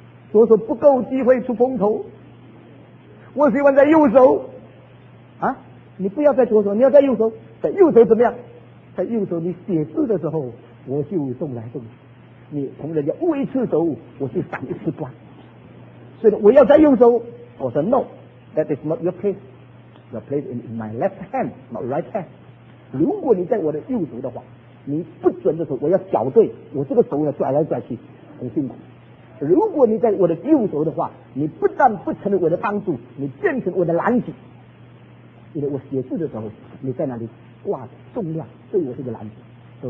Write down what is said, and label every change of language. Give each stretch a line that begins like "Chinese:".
Chinese: 左手不够机会出风头，我喜欢在右手啊。你不要在左手，你要在右手。在右手怎么样？在右手你写字的时候我就动来动，你同人家握一次手我就闪一次光，所以我要在右手。我说
English: No, that is not your place, your place is in my left hand, not right hand。
Chinese: 如果你在我的右手的话，你不准的时候我要脚对，我这个手呢拽来拽去，很辛苦。如果你在我的右手的话，你不但不成为我的帮助，你变成我的拦阻。因为我写字的时候，你在那里挂着重量，对我是个拦阻。